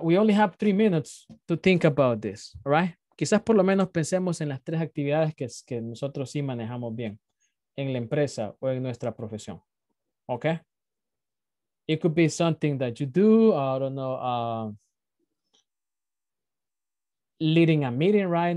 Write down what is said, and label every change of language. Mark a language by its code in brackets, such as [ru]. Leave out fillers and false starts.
[en] We only have 3 minutes to think about this, right? [es] Quizás por lo menos pensemos en las tres actividades que nosotros sí manejamos bien en la empresa o en nuestra profesión, [en] okay? It could be something that you do, I don't know, leading a meeting, right?